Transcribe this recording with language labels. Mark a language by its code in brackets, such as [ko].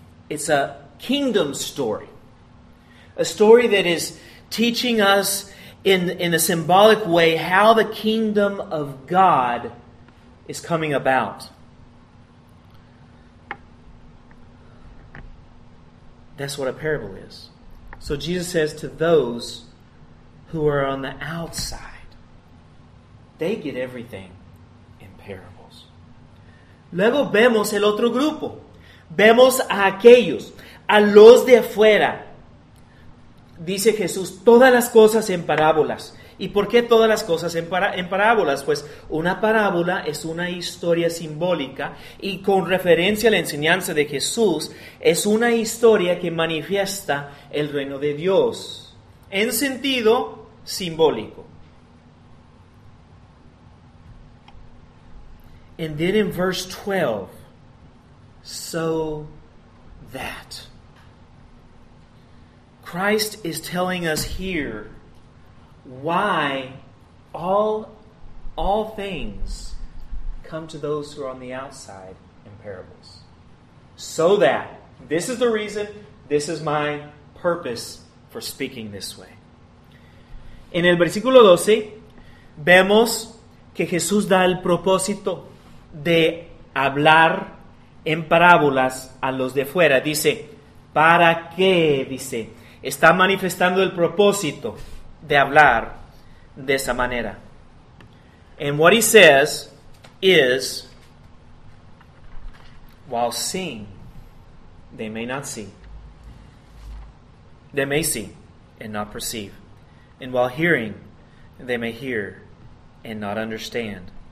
[en] It's a kingdom story. A story that is teaching us in a symbolic way how the kingdom of God is coming about. That's what a parable is. So Jesus says to those who are on the outside, they get everything in parables. [es] Luego vemos el otro grupo. Vemos a aquellos, a los de afuera. Dice Jesús, todas las cosas en parábolas. ¿Y por qué todas las cosas en parábolas? Pues una parábola es una historia simbólica y con referencia a la enseñanza de Jesús, es una historia que manifiesta el reino de Dios en sentido simbólico. [en] And then in verse 12, so that Christ is telling us here why all things come to those who are on the outside in parables. So that, this is the reason, this is my purpose for speaking this way. [es] En el versículo 12, vemos que Jesús da el propósito de hablar en parábolas a los de fuera. Dice, ¿para qué? Dice, está manifestando el propósito de hablar de esa manera. [en] And what he says is, while seeing, they may not see. They may see and not perceive. And while hearing, they may hear and not understand.